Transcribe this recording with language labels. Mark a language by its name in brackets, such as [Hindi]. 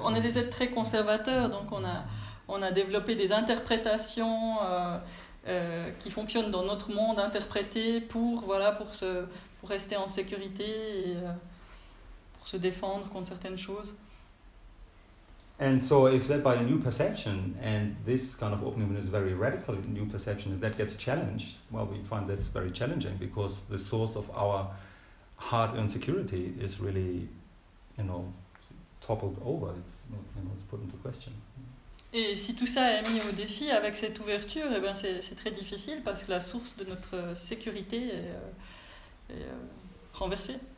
[French] On est des êtres très conservateurs, donc on a développé des interprétations qui fonctionnent dans notre monde, interprétées pour rester en sécurité et pour se défendre contre certaines choses. [English] And so if that by a new perception, and this kind of opening is a very radical new perception, if that gets challenged, well, we find that's very challenging because the source of our hard-earned security is really, you know, toppled over, it's put into question. [French] Et si tout ça est mis au défi avec cette ouverture, eh ben c'est très difficile parce que la source de notre sécurité est renversée.